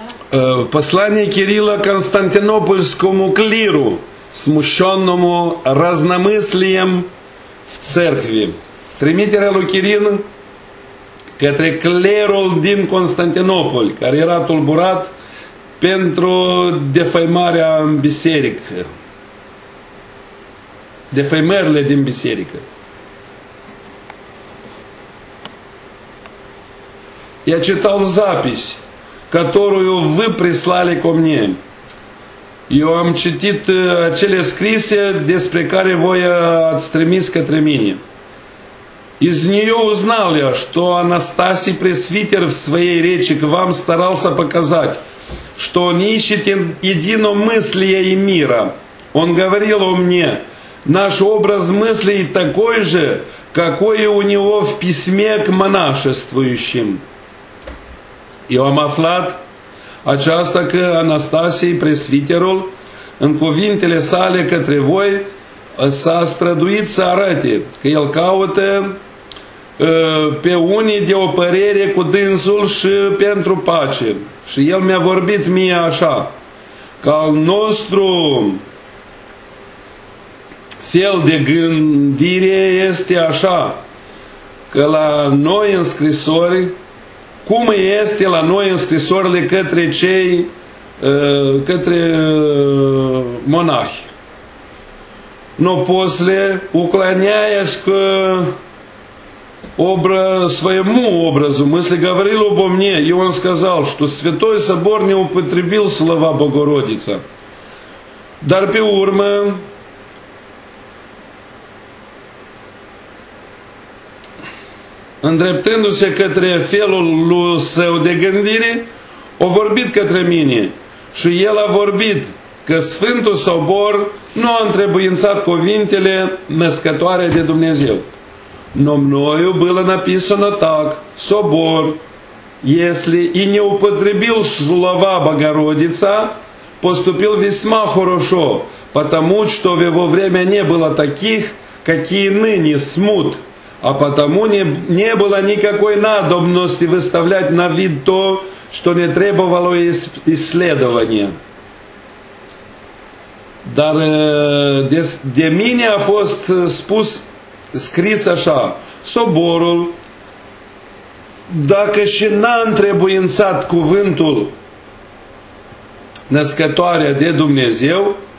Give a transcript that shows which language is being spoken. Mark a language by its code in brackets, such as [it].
[ru] Послание Кирилла Константинопольскому клиру, смущенному разномыслием в церкви. [ro] Тримитерелу Кирину, către clerul din Constantinopol, care era tulburat pentru defăimarea în biserică. Defăimările din biserică. [ru] Я читал запись, которую вы прислали ко мне. [ro] Eu am citit acele scrise despre care voi ați trimis către mine. [ru] Из нее узнал я, что Анастасий Пресвитер в своей речи к вам старался показать, что он ищет единомыслия и мира. Он говорил о мне, наш образ мыслей такой же, какой у него в письме к монашествующим. [ro] Eu am aflat aceasta că Anastasie, presbiterul, în cuvintele sale către voi, s-a străduit să arate că el caută pe unii de o părere cu dânsul și pentru pace. Și el mi-a vorbit mie așa, că al nostru fel de gândire este așa, că la noi în scrisori, cum este la noi în scrisorile către cei, către monahi? [ru] Но после уклоняясь к своему образу мысли, говорил обо мне, и он сказал, что Святой Собор не употребил слова Богородица. [ro] Дар пе урмы, îndreptându-se către felul lui său de gândire, a vorbit către mine și el a vorbit că Sfântul Sobor nu a întrebuințat cuvintele născătoare de Dumnezeu. [ru] Но мною было написано так, Собор, если и не употребил слова Богородица, поступил весьма хорошо, потому что в его время не было таких, какие ныне смут. А потому не было никакой надобности выставлять на вид то, что не требовало исследования. [ro] Dar de mine a fost spus, scris așa, Soborul, dacă și n-a întrebuințat cuvântul născătoare de Dumnezeu,